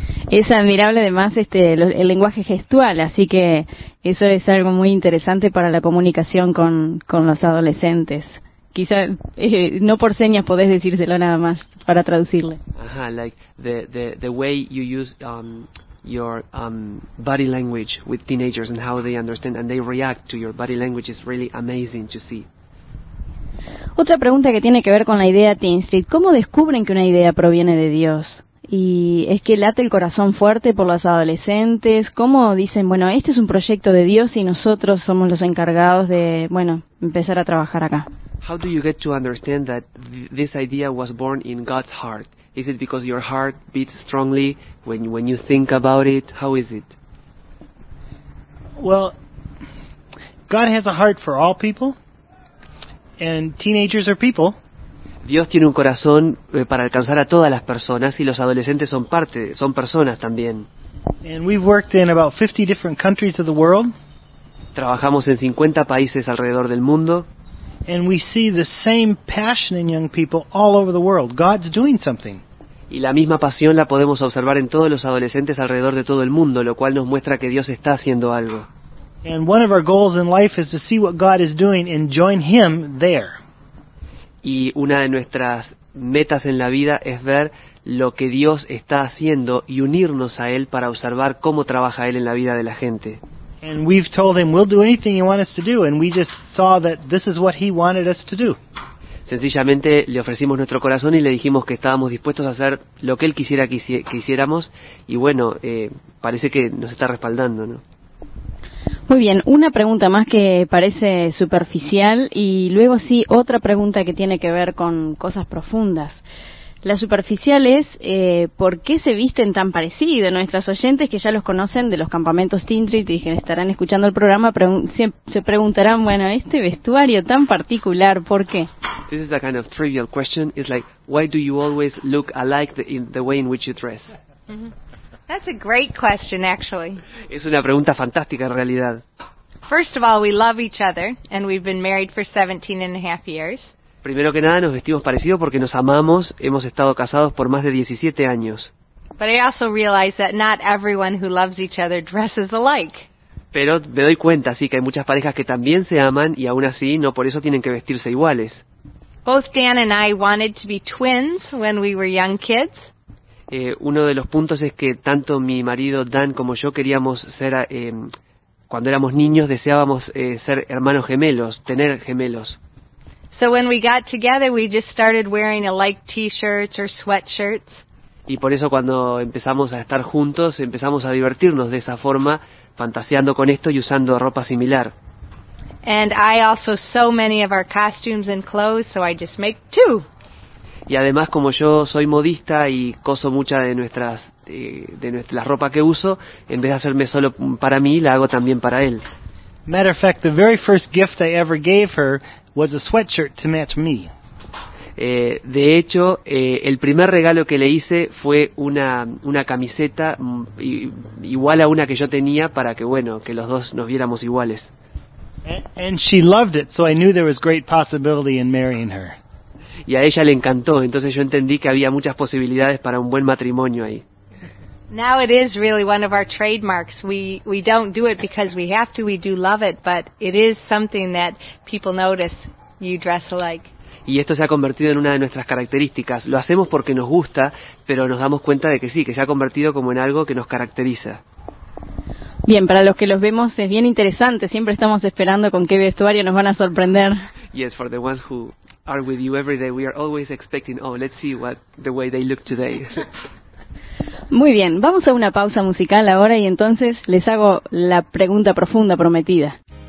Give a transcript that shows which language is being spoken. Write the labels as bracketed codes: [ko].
[es] Es admirable además el lenguaje gestual, así que eso es algo muy interesante para la comunicación con los adolescentes. Quizá no por señas podés decírselo nada más para traducirle. [en] Ajá, like the way you use your body language with teenagers and how they understand and they react to your body language is really amazing to see. [es] Otra pregunta que tiene que ver con la idea Teen Street. ¿Cómo descubren que una idea proviene de Dios? Y es que late el corazón fuerte por los adolescentes. ¿Cómo dicen, bueno, este es un proyecto de Dios y nosotros somos los encargados de, bueno, empezar a trabajar acá? [en] How do you get to understand that this idea was born in God's heart? Is it because your heart beats strongly when you think about it? How is it? Well, God has a heart for all people, and teenagers are people. [es] Dios tiene un corazón para alcanzar a todas las personas, y los adolescentes son personas también. [en] And we've worked in about 50 different countries of the world. [es] Trabajamos en 50 países alrededor del mundo. [en] And we see the same passion in young people all over the world. God's doing something. [es] Y la misma pasión la podemos observar en todos los adolescentes alrededor de todo el mundo, lo cual nos muestra que Dios está haciendo algo. [en] And one of our goals in life is to see what God is doing and join Him there. [es] Y una de nuestras metas en la vida es ver lo que Dios está haciendo y unirnos a Él para observar cómo trabaja Él en la vida de la gente. [en] And we've told him we'll do anything you want us to do, and we just saw that this is what he wanted us to do. [es] Sencillamente le ofrecimos nuestro corazón y le dijimos que estábamos dispuestos a hacer lo que él quisiera que hiciéramos, y bueno, parece que nos está respaldando, ¿no? Muy bien, una pregunta más que parece superficial, y luego sí otra pregunta que tiene que ver con cosas profundas. La superficial es, ¿por qué se visten tan parecido? Nuestras oyentes que ya los conocen de los campamentos Teen Street y que estarán escuchando el programa se preguntarán, bueno, este vestuario tan particular, ¿por qué? [en] This is a kind of trivial question. It's like, why do you always look alike in the way in which you dress? Mm-hmm. That's a great question, actually. [es] Es una pregunta fantástica, en realidad. [en] First of all, we love each other, and we've been married for 17 and a half years. [es] Primero que nada, nos vestimos parecido porque nos amamos, hemos estado casados por más de 17 años. [en] But I also realize that not everyone who loves each other dresses alike. [es] Pero me doy cuenta, sí, que hay muchas parejas que también se aman y aún así no por eso tienen que vestirse iguales. [en] Both Dan and I wanted to be twins when we were young kids. [es] Uno de los puntos es que tanto mi marido Dan como yo queríamos ser, cuando éramos niños deseábamos ser hermanos gemelos, tener gemelos. [en] So when we got together, we just started wearing alike t-shirts or sweatshirts. [es] Y por eso cuando empezamos a estar juntos, empezamos a divertirnos de esa forma, fantaseando con esto y usando ropa similar. [en] And I also sew many of our costumes and clothes, so I just make two. [es] Y además, como yo soy modista y coso mucha de nuestra ropa que uso, en vez de hacerme solo para mí, la hago también para él. [en] Matter of fact, the very first gift I ever gave her was a sweatshirt to match me. [es] De hecho, el primer regalo que le hice fue una camiseta igual a una que yo tenía para que, bueno, que los dos nos viéramos iguales. [en] And she loved it, so I knew there was great possibility in marrying her. [es] Y a ella le encantó, entonces yo entendí que había muchas posibilidades para un buen matrimonio ahí. [en] Now it is really one of our trademarks. We don't do it because we have to, we do love it, but it is something that people notice you dress alike. [es] Y esto se ha convertido en una de nuestras características. Lo hacemos porque nos gusta, pero nos damos cuenta de que sí, que se ha convertido como en algo que nos caracteriza. Bien, para los que los vemos es bien interesante. Siempre estamos esperando con qué vestuario nos van a sorprender. [en] Yes, for the ones who are with you every day, we are always expecting, oh, let's see what the way they look today. [es] Muy bien, vamos a una pausa musical ahora y entonces les hago la pregunta profunda prometida.